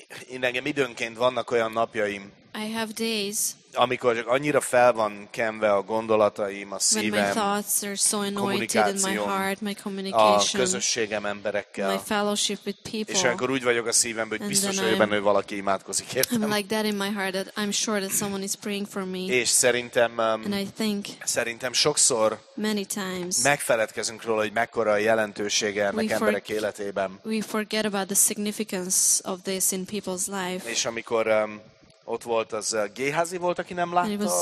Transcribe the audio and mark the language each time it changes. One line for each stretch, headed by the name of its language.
Hungarian: Én engem időnként vannak olyan napjaim.
English: I have days.
Hungarian: Amikor csak annyira fel van kenve a gondolataim, a szívem,
English: my thoughts are so annoyed in my heart, my communication,
Hungarian: a közösségem emberekkel,
English: my fellowship with people,
Hungarian: és akkor úgy vagyok a szívemben, hogy biztos vagyok benne, hogy valaki imádkozik értem.
English: I'm like that in my heart that I'm sure that someone is praying for me.
Hungarian: És szerintem sokszor
English: many times
Hungarian: megfeledkezünk róla, hogy mekkora a jelentősége ennek emberek életében.
English: We forget about the significance of this in people's life.
Hungarian: És amikor ott volt az Géházi volt, aki nem látta